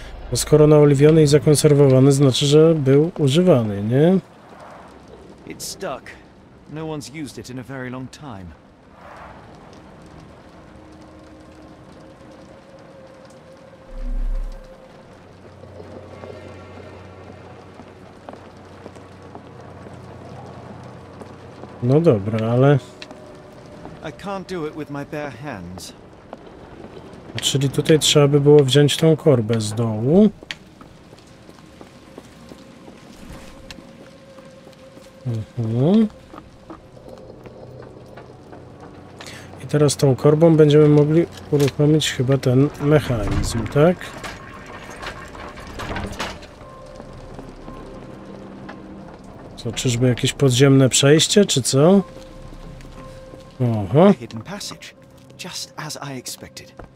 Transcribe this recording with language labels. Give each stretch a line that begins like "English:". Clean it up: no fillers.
Polish: Bo skoro naoliwiony i zakonserwowany, znaczy, że był używany, nie?
English: No one's used it in a very long time.
Polish: No dobra, ale...
English: I can't do it with my bare hands.
Polish: Czyli tutaj trzeba by było wziąć tą korbę z dołu. Teraz tą korbą będziemy mogli uruchomić chyba ten mechanizm, tak? Co, czyżby jakieś podziemne przejście, czy co? Oho.
English: Hidden passage, just as I expected.